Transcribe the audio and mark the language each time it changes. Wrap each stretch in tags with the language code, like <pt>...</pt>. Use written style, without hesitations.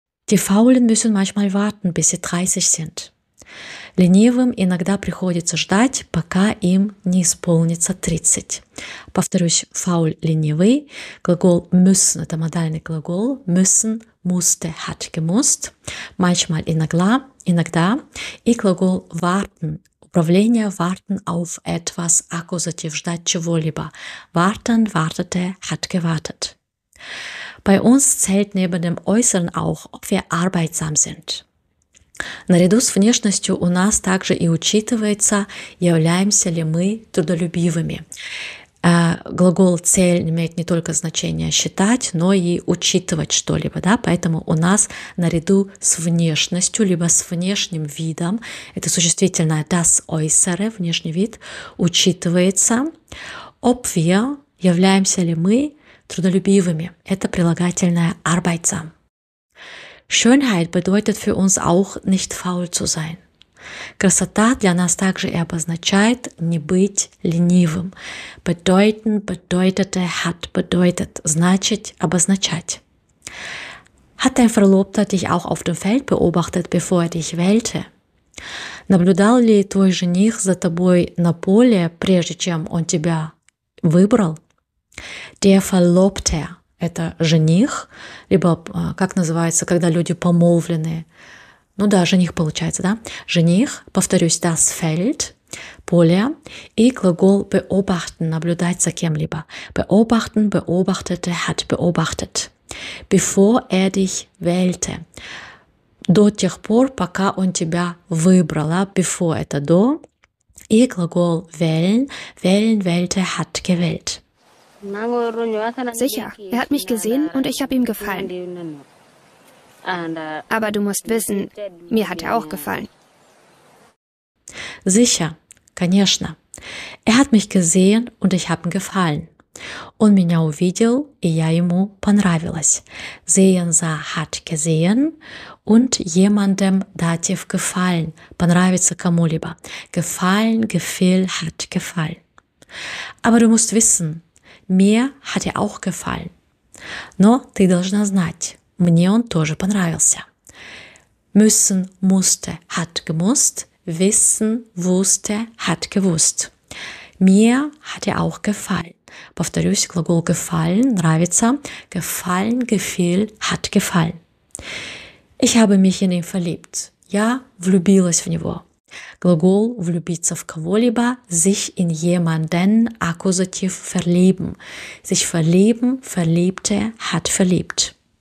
<de>Die Faulen müssen manchmal warten, bis sie 30 sind.</de> <ru>Ленивым иногда приходится ждать, пока им не исполнится 30. Повторюсь, faul – ленивый. Глагол müssen – это модальный глагол.</ru> <de>Müssen – musste – hat gemusst. Manchmal – иногда.</de> <ru>Иногда. И глагол warten – управление warten auf etwas, акузатив – ждать чего-либо.</ru> <de>Warten – wartete – hat gewartet. Bei uns zählt neben dem Äußeren auch, ob wir arbeitsam sind.</de> <ru>Наряду с внешностью у нас также и учитывается, являемся ли мы трудолюбивыми. Глагол «цель» имеет не только значение «считать», но и «учитывать что-либо». Да? Поэтому у нас наряду с внешностью, либо с внешним видом, это существительное «das äußere», внешний вид, учитывается,</ru> <de>ob wir,</de> <ru>являемся ли мы трудолюбивыми. Это прилагательное «arbeitsam».</ru> <de>Schönheit bedeutet für uns auch, nicht faul zu sein.</de> <ru>Красота для нас также и обозначает не быть ленивым.</ru> <de>Bedeuten, bedeutete, hat, bedeutet,</de> <ru>значит, обозначать.</ru> <de>Hat dein Verlobter dich auch auf dem Feld beobachtet, bevor er dich wählte?</de> <ru>Наблюдал ли твой жених за тобой на поле, прежде чем он тебя выбрал?</ru> <de>Der Verlobte.</de> <ru>Это жених, либо как называется, когда люди помолвлены. Ну да, жених получается, да? Жених, повторюсь, das Feld, поле, и глагол beobachten, наблюдать за кем-либо.</ru> <de>Beobachten, beobachtete, hat beobachtet. Bevor er dich wählte.</de> <ru>До тех пор, пока он тебя выбрал. Before – это до. И глагол wählen, wählen, wählte, hat gewählt.</ru> <de>Sicher, er hat mich gesehen und ich habe ihm gefallen. Aber du musst wissen, mir hat er auch gefallen. Sicher, конечно. Er hat mich gesehen und ich habe ihm gefallen.</de> <ru>Он меня увидел, и я ему понравилась.</ru> <de>Sehen, sah, hat gesehen und jemandem dativ gefallen.</de> <ru>Понравится кому-либо.</ru> <de>Gefallen, gefiel, hat gefallen. Aber du musst wissen, Mir hat er auch gefallen.</de> <ru>Но ты должна знать, мне он тоже понравился.</ru> <de>Müssen, musste, hat gemusst. Wissen, wusste, hat gewusst. Mir hat er auch gefallen.</de> <ru>Повторюсь, глагол gefallen, нравится.</ru> <de>Gefallen, gefiel, hat gefallen. Ich habe mich in ihn verliebt.</de> <ru>Я влюбилась в него. Глагол влюбиться в кого-либо,</ru> <de>sich in jemanden, Akkusativ verlieben. Sich verlieben, verliebte, hat verliebt.</de>